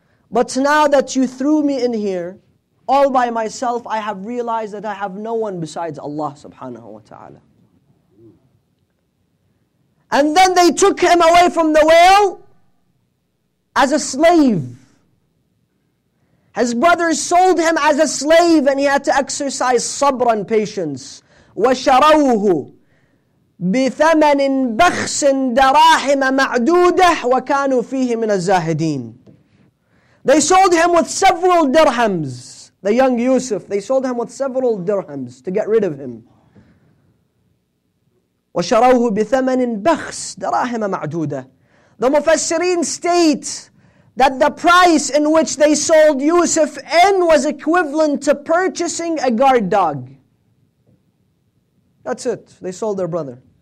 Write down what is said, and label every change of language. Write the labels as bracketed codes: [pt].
[en] But now that you threw me in here, all by myself, I have realized that I have no one besides Allah subhanahu wa ta'ala. And then they took him away from the whale as a slave. His brothers sold him as a slave and he had to exercise sabr and patience. [ar] وَشَرَوْهُ بِثَمَنٍ بَخْسٍ دَرَاحِمَ مَعْدُودَهُ وَكَانُوا فِيهِ مِنَ الزَّاهِدِينَ [en] They sold him with several dirhams. The young Yusuf, they sold him with several dirhams to get rid of him. [ar] وَشَرَوْهُ بِثَمَنٍ بَخْسٍ دَرَاحِمَ مَعْدُودَهُ [en] The Mufassirin state that the price in which they sold Yusuf in was equivalent to purchasing a guard dog. That's it. They sold their brother.